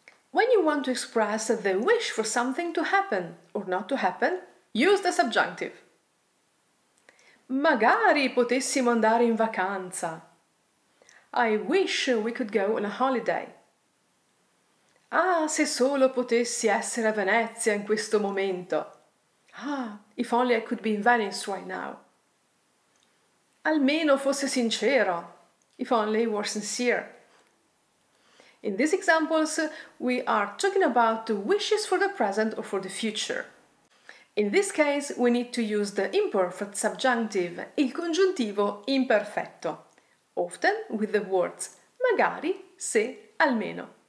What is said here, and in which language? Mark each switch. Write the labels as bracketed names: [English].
[English] When you want to express the wish for something to happen or not to happen, use the subjunctive. [Italian] Magari potessimo andare in vacanza. [English] I wish we could go on a holiday. [Italian] Ah, se solo potessi essere a Venezia in questo momento. [English] Ah, if only I could be in Venice right now. [Italian] Almeno fosse sincero. [English] If only it were sincere. In these examples, we are talking about wishes for the present or for the future. In this case, we need to use the imperfect subjunctive, il congiuntivo imperfetto, often with the words magari, se, almeno.